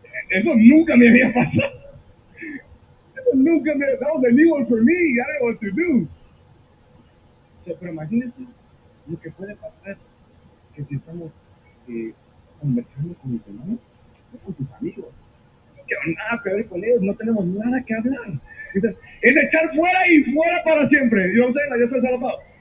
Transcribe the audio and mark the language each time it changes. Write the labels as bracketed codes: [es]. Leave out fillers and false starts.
[es] Eso nunca me había pasado. Eso nunca me había pasado. [en] That was a new one for me. I don't know what to do. [es] Pero imagínense lo que puede pasar que si estamos conversando con mis hermanos, no con tus amigos. No quiero nada que ver con ellos. No tenemos nada que hablar. Entonces, es echar fuera y fuera para siempre. Yo no sé, yo soy salvado.